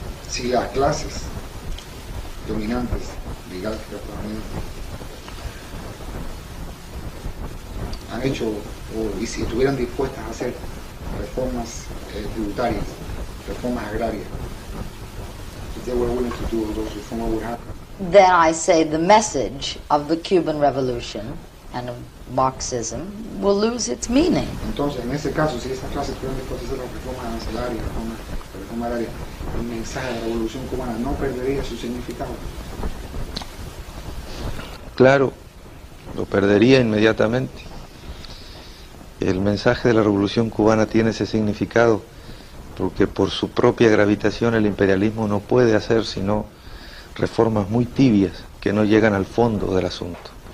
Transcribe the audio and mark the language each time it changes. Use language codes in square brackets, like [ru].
[es] Si las clases dominantes de Estados Unidos han hecho, y si estuvieran dispuestas a hacer reformas tributarias, reformas agrarias. [en] Then I say the message of the Cuban Revolution and of Marxism will lose its meaning. [es] Entonces, en ese caso, si esas clases estuvieran dispuestas a hacer reformas arancelarias, reformas agrarias, el mensaje de la Revolución Cubana no perdería su significado. Claro, lo perdería inmediatamente. El mensaje de la Revolución Cubana tiene ese significado porque por su propia gravitación el imperialismo no puede hacer sino reformas muy tibias que no llegan al fondo del asunto.